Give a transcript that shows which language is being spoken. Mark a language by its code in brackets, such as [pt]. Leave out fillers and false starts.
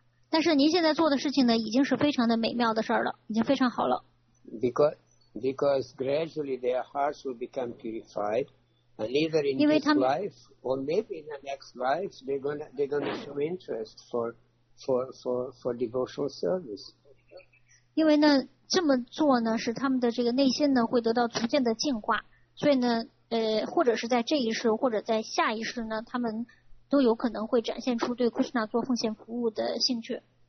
[zh] 但是您现在做的事情呢，已经是非常的美妙的事了，已经非常好了。 [en] Because gradually their hearts will become purified, and either in this life or maybe in the next life, they're gonna show interest for devotional service. [zh] 因为呢。这么做呢，使他们的这个内心呢会得到逐渐的净化，所以呢，或者是在这一世，或者在下一世呢，他们都有可能会展现出对 Krishna 做奉献服务的兴趣。